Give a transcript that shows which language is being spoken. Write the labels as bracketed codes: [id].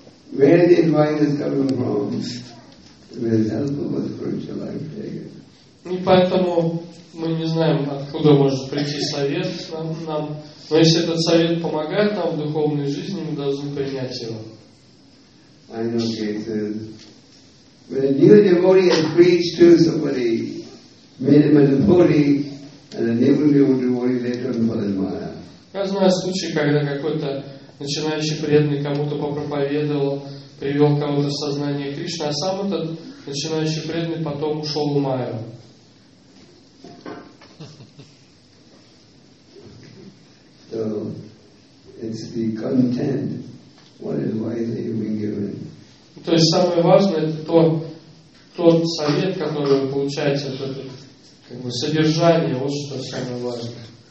[en] Where the invite is coming from will help our spiritual life take it. [ru] И поэтому мы не знаем, откуда может прийти совет нам, нам. Но если этот совет помогает нам в духовной жизни, мы должны принять его. [en] I know cases where a new devotee has preached to somebody, made him a devotee, and a new devotee later on fell in Maya. [ru] Я знаю случаи, когда какой-то начинающий преданный кому-то попроповедовал, привел кого-то в сознание Кришны, а сам этот начинающий преданный потом ушел в Майю. [en] So, it's the content, what advice that you've been given. [ru] То есть самое важное это то, тот совет, который вы получаете, это как бы содержание, вот что самое важное.